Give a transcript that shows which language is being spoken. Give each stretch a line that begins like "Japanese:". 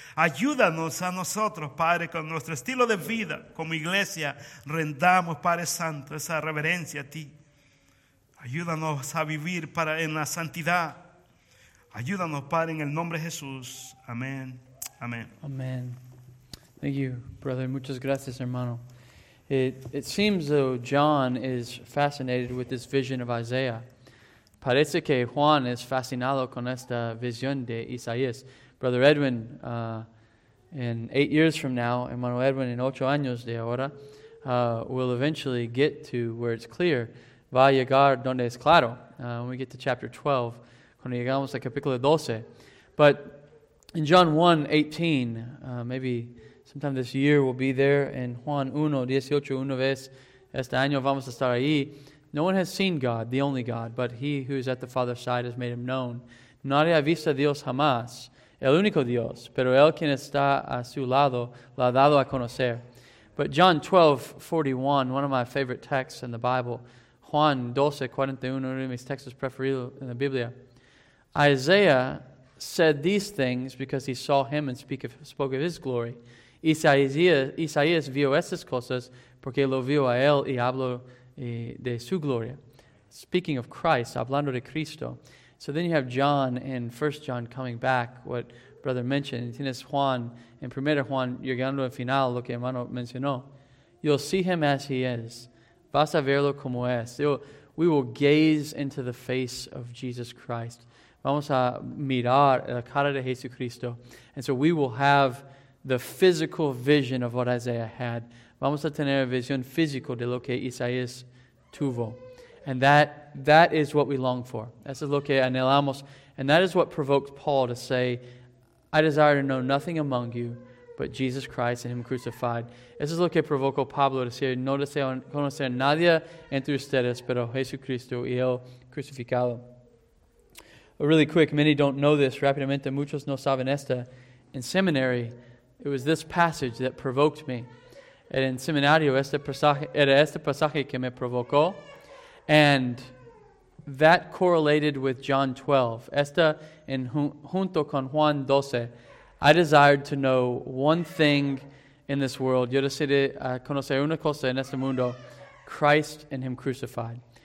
Spanish: Ayúdanos a nosotros, Padre, con nuestro estilo de vida, como iglesia, rendamos, Padre Santo, esa reverencia a ti. Ayúdanos a vivir para en la santidad. Ayúdanos, Padre, en el nombre de Jesús. Amén. Amén.
English: Amén. Thank you, brother.
Spanish: Muchas gracias, hermano.
English: It seems though John is fascinated with this vision of Isaiah.
Spanish: Parece que Juan es fascinado con esta visión de Isaías.
English: Brother Edwin, in 8 years from now,
Spanish: hermano Edwin, en 8 años de ahora,
English: will eventually get to where it's clear.
Spanish: Va a llegar donde es claro.
English: When we get to chapter 12,
Spanish: cuando llegamos a capítulo 12.
English: But in John 1:18, maybe sometime this year we'll be there.
Spanish: In Juan 1:18, una vez este año vamos a estar ahí.
English: No one has seen God, the only God, but He who is at the Father's side has made Him known.
Spanish: Nadie ha visto a Dios jamás. el único Dios, pero el quien está a su lado lo ha dado a conocer.
English: But John 12:41, one of my favorite texts in the Bible,
Spanish: Juan 12:41, uno de mis textos preferidos en la Biblia.
English: Isaiah said these things because he saw him and spoke of his glory.
Spanish: Isaías vio estas cosas porque lo vio a él y habló de su gloria.
English: Speaking of Christ,
Spanish: hablando de Cristo.
English: So then you have John in 1 John coming back, what brother mentioned.
Spanish: Tienes Juan en 1 Juan llegando al final, lo que hermano mencionó.
English: You'll see him as he is.
Spanish: Vas a verlo como es.
English: We will gaze into the face of Jesus Christ.
Spanish: Vamos a mirar la cara de Jesucristo.
English: And so we will have the physical vision of what Isaiah had.
Spanish: Vamos a tener visión física de lo que Isaías tuvo.
English: And that is what we long for.
Spanish: Eso es lo que anhelamos.
English: And that is what provoked Paul to say, I desire to know nothing among you but Jesus Christ and Him crucified.
Spanish: Eso es lo que provocó Pablo a decir, no deseo conocer a nadie entre ustedes pero Jesucristo y Él crucificado.
English: Really quick, many don't know this.
Spanish: Rápidamente, muchos no saben esta.
English: In seminary, it was this passage that provoked me.
Spanish: En seminario, este pasaje que me provocó.
English: And that correlated with John 12.
Spanish: Esta en junto con Juan 12.
English: I desired to know one thing in this world.
Spanish: Yo deseé conocer una cosa en este mundo.
English: Christ and Him crucified.